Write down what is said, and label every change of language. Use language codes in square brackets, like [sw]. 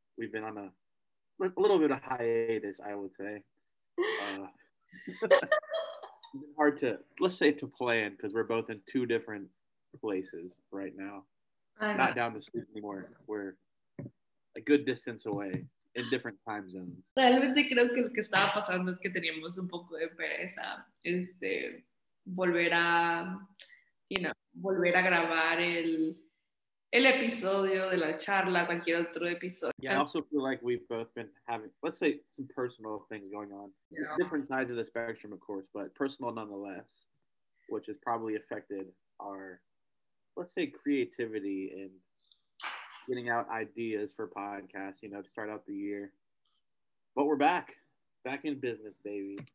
[en] We've been on a little bit of hiatus, I would say. hard to, let's say, to plan, because we're both in two different places right now. Not down the street anymore. We're a good distance away in different time zones. [es] Realmente creo que lo que estaba pasando es que teníamos un poco de pereza, volver a, volver a grabar el episodio de la charla, cualquier otro episodio. [en] Yeah, I also feel like we've both been having, let's say, some personal things going on. Yeah. Different sides of the spectrum, of course, but personal nonetheless, which has probably affected our, let's say, creativity and getting out ideas for podcasts, to start out the year. But we're back in business, baby.